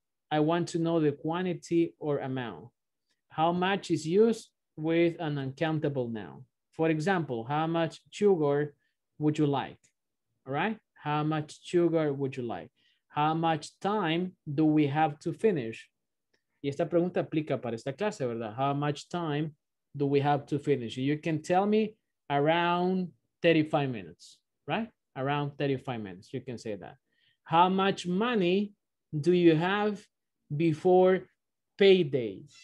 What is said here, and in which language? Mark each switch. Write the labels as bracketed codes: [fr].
[en] I want to know the quantity or amount. How much is used with an uncountable noun? For example, how much sugar would you like? All right? How much sugar would you like? How much time do we have to finish? [es] Y esta pregunta aplica para esta clase, ¿verdad? [en] How much time do we have to finish? You can tell me around 35 minutes, right? Around 35 minutes, you can say that. How much money do you have before payday?